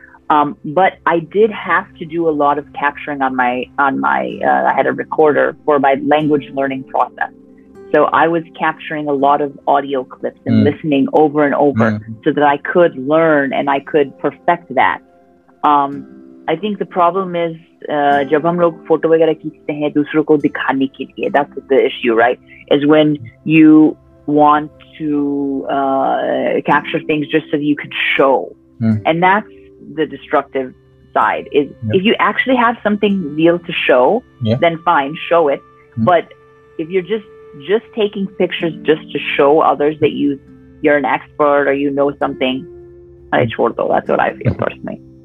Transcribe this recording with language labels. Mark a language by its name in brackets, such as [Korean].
[English] But I did have to do a lot of capturing I had a recorder for my language learning process. So I was capturing a lot of audio clips and listening over and over so that I could learn and I could perfect that. I think the problem is [Hindi] जब हम लोग photo वगैरा खींचते हैं दूसरों को दिखाने के लिए, [English] that's the issue, right? Is when you want to capture things just so you could show. And that's the destructive side, is if you actually have something real to show, then fine, show it. But if you're just taking pictures just to show others that you're an expert or you know something, that's what I feel personally.